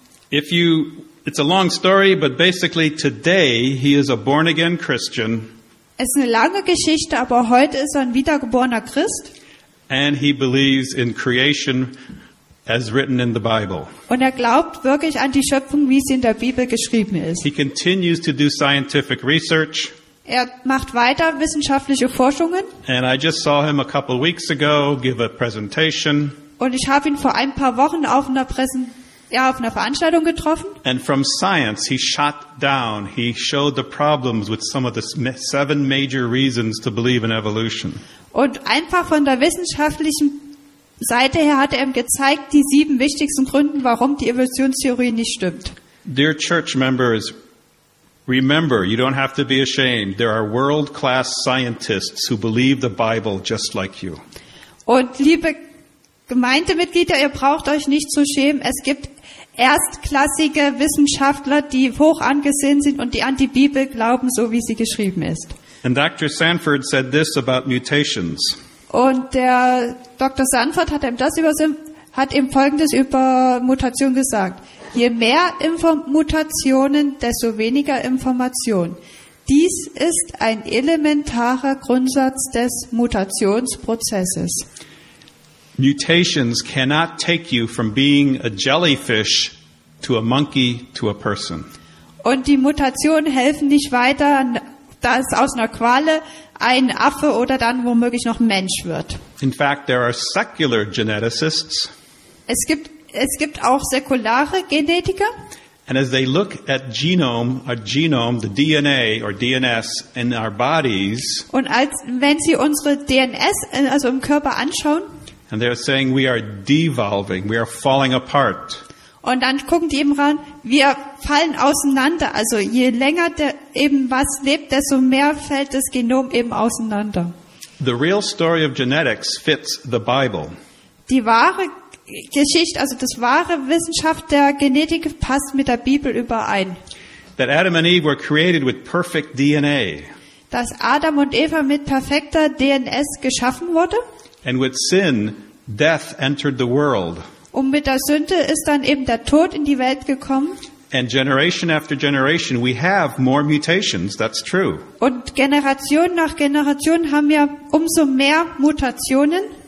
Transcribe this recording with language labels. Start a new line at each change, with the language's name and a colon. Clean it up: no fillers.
English: It's a long story, but basically today he is a born again Christian.
German: Es ist eine lange Geschichte, aber heute ist er ein wiedergeborener Christ.
English: And he believes in creation as written in the Bible.
German: Und er glaubt wirklich an die Schöpfung, wie sie in der Bibel geschrieben ist.
English: He continues to do scientific research.
German: Er macht weiter wissenschaftliche Forschungen.
English: And I just saw him a couple weeks ago give a presentation.
German: Und ich habe ihn vor ein paar Wochen auf einer Veranstaltung getroffen.
English: And from science he shot down, he showed the problems with some of the seven major reasons to believe in evolution.
German: Und einfach von der wissenschaftlichen Seite her hat er ihm gezeigt die sieben wichtigsten Gründe, warum die Evolutionstheorie nicht stimmt.
English: Dear church members, remember, you don't have to be ashamed. There are world-class scientists who believe the Bible just like you.
German: Und liebe Gemeindemitglieder, ihr braucht euch nicht zu schämen. Es gibt erstklassige Wissenschaftler, die hoch angesehen sind und die an die Bibel glauben, so wie sie geschrieben ist. And Dr. Sanford said this about mutations. Und der Dr. Sanford hat ihm Folgendes über Mutationen gesagt. Je mehr Mutationen, desto weniger Information. Dies ist ein elementarer Grundsatz des Mutationsprozesses.
English: Mutations cannot take you from being a jellyfish to a monkey to a person.
German: Und die Mutationen helfen nicht weiter, dass aus einer Quale ein Affe oder dann womöglich noch Mensch wird.
English: In fact, there are secular geneticists.
German: Es gibt auch säkulare Genetiker.
English: And as they look at our genome, the DNA or DNS in our bodies.
German: Und als wenn sie unsere DNS also im Körper anschauen.
English: And they're saying we are devolving, we are falling apart.
German: Und dann gucken die eben ran, wir fallen auseinander. Also je länger eben was lebt, desto mehr fällt das Genom eben auseinander.
English: The real story of genetics fits the Bible.
German: Die wahre Geschichte, also das wahre Wissenschaft der Genetik passt mit der Bibel überein.
English: That Adam and Eve were created with perfect DNA.
German: Dass Adam und Eva mit perfekter DNS geschaffen wurde.
English: And with sin, death entered the world.
German: Und mit der Sünde ist dann eben der Tod in die Welt gekommen.
English: And generation after generation, we have more mutations. That's true.
German: Und Generation nach Generation haben wir umso mehr Mutationen.